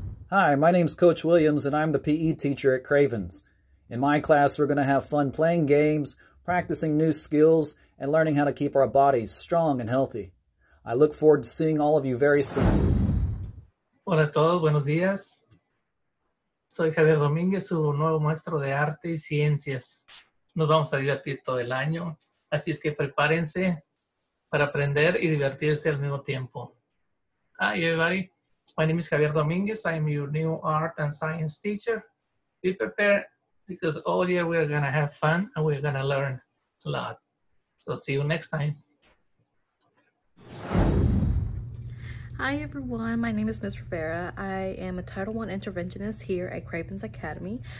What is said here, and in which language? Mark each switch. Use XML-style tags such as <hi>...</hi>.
<en>Hi, my name's Coach Williams, and I'm the PE teacher at Cravens. In my class, we're going to have fun playing games, practicing new skills, and learning how to keep our bodies strong and healthy. I look forward to seeing all of you very soon.</en> <es>Hola a todos, buenos días. Soy Javier Domínguez, su nuevo maestro de arte y ciencias. Nos vamos a divertir todo el año, así es que prepárense para aprender y divertirse al mismo tiempo.</es> <en>Hi, everybody. My name is Javier Dominguez. I am your new art and science teacher. Be prepared because all year we're going to have fun and we're going to learn a lot. So see you next time. Hi, everyone. My name is Ms. Rivera. I am a Title I interventionist here at Cravens Academy.</en>